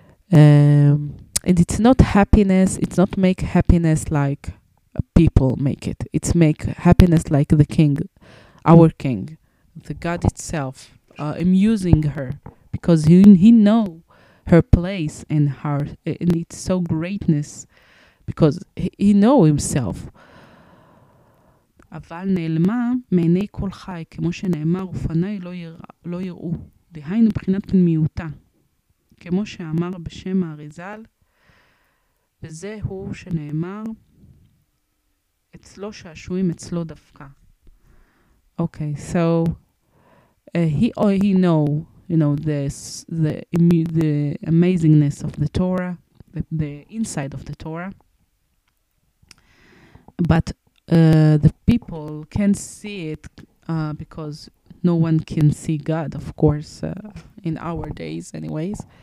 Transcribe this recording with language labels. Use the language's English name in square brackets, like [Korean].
[English] And it's not happiness, it's not make happiness like people make it. It's make happiness like the king, our king, the God itself, amusing her, because he knows her place and her, and it's so greatness, because he know himself. [Hebrew] אבל נעלמה מעיני כל חי, כמו שנאמר, ופני לא יראו. דהיינו בחינת פנימיותה. כמו שאמר בשם האריזל, וזהו שנאמר, אצלו שעשועים, אצלו דווקא. [English] Okay, so he know, you know, the amazingness of the Torah, the inside of the Torah. But the people can see it because no one can see God, of course, in our days anyways.